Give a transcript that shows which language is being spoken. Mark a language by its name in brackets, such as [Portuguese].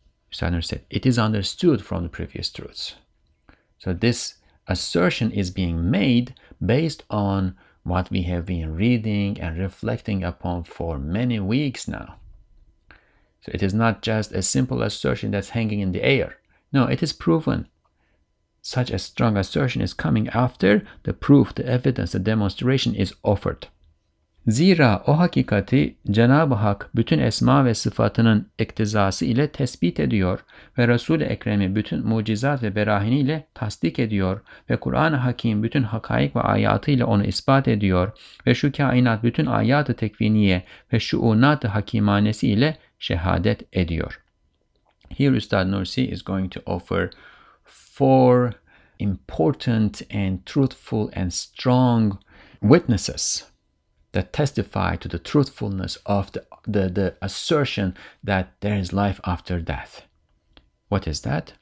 [English] Sanders said, it is understood from the previous truths. So this assertion is being made based on what we have been reading and reflecting upon for many weeks now. So it is not just a simple assertion that's hanging in the air. No, it is proven. Such a strong assertion is coming after the proof, the evidence, the demonstration is offered. [Turkish] Zira o hakikati Cenab-ı Hak bütün esma ve sıfatının iktizası ile tespit ediyor ve Resul-i Ekrem'i bütün mucizat ve berahini ile tasdik ediyor ve Kur'an-ı Hakim bütün hakaik ve ayatı ile onu ispat ediyor ve şu kainat bütün ayat-ı tekviniye ve şuunat-ı hakimanesi ile şehadet ediyor. [English] Here Üstad Nursi is going to offer four important and truthful and strong witnesses that testify to the truthfulness of the assertion that there is life after death. What is that?